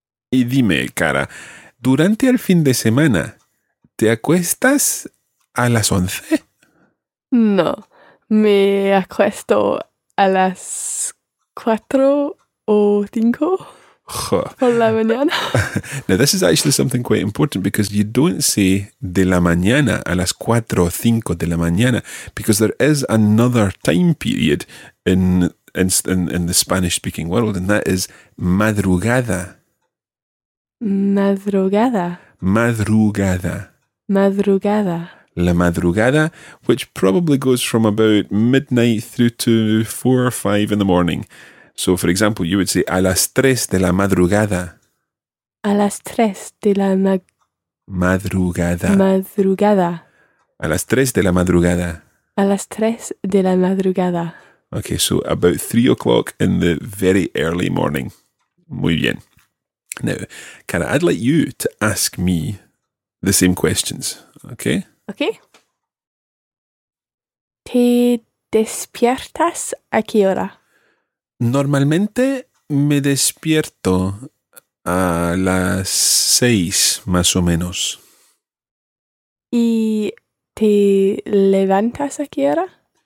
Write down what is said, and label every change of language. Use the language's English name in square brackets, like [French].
[Spanish] Y dime, Cara, ¿durante el fin de semana te acuestas a las 11? No, me acuesto a las 4 o 5 por la mañana. [English] Now, this is actually something quite important because you don't say [Spanish] de la mañana a las 4 o 5 de la mañana [English] because there is another time period in the Spanish-speaking world, and that is madrugada. [Spanish] Madrugada. Madrugada. Madrugada. [English] La madrugada, which probably goes from about midnight through to 4 or 5 in the morning. So, for example, you would say [Spanish] a las 3 de la madrugada. A las 3 de la madrugada. Madrugada. A las 3 de la madrugada. A las 3 de la madrugada. [English] Okay, so about 3 o'clock in the very early morning. [Spanish] Muy bien. [English] Now, Cara, I'd like you to ask me the same questions, okay? Okay. [Spanish] ¿Te despiertas a qué hora? Normalmente me despierto a las 6, más o menos. ¿Y te levantas a qué hora?